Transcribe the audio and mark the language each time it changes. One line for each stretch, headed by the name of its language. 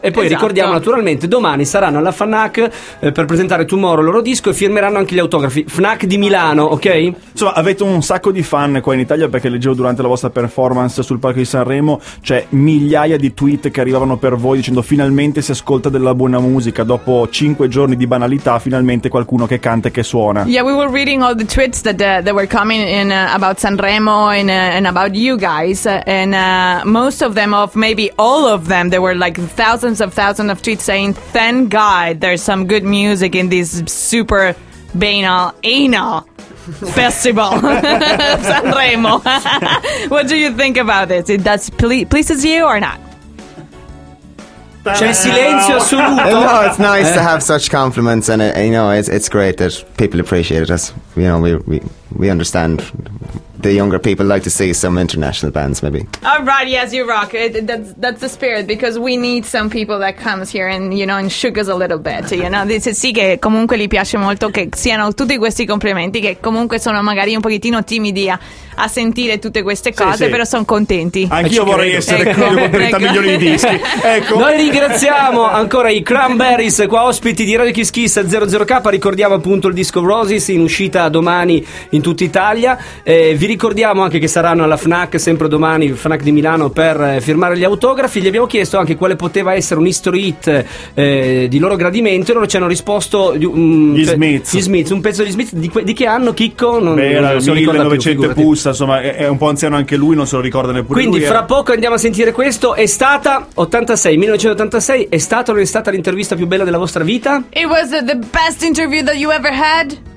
Italian: E poi, esatto, ricordiamo naturalmente, domani saranno alla FNAC per presentare Tomorrow il loro disco e firmeranno anche gli autografi. FNAC di Milano, ok? Insomma, avete un sacco di fan qua in Italia, perché leggevo durante la vostra performance sul palco di Sanremo, cioè migliaia di tweet che arrivavano per voi dicendo finalmente si ascolta della buona musica dopo 5 giorni di banalità, finalmente qualcuno che canta e che suona.
English: Yeah, we were reading all the tweets that were coming in about Sanremo and about you guys, and most of them, of maybe all of them, there were like thousands of tweets saying thank God there's some good music in this super anal festival Sanremo. What do you think about this? It does pleases you or not?
Italian: C'è silenzio assoluto.
English: No, it's nice to have such compliments, and you know, it's great that people appreciate us, you know, we understand. The younger people like to see some international bands, maybe. All right, yes, you rock. That's the spirit, because we need some people that comes here and, you know, and sugars a little bit, you know.
Italian: Dice sì che comunque gli piace molto che siano tutti questi complimenti, che comunque sono magari un pochettino timidi a sentire tutte queste cose, sì. Però sono contenti. Anch'io vorrei essere con 30 milioni di dischi. Ecco. Noi ringraziamo ancora i Cranberries, qua ospiti di Radio Kiss Kiss 00K. Ricordiamo appunto il disco Roses, in uscita domani in tutta Italia. Vi ricordiamo anche che saranno alla FNAC sempre domani, FNAC di Milano, per firmare gli autografi. Gli abbiamo chiesto anche quale poteva essere un history hit di loro gradimento, e loro ci hanno risposto gli Smiths, un pezzo di Smiths di che anno, Chicco? Non 1900 più, pussa, insomma è un po' anziano anche lui, non se lo ricorda neppure. Quindi lui, fra poco andiamo a sentire questo. È stata 1986, è stata o non è stata l'intervista più bella della vostra vita?
English: It was the best interview that you ever had.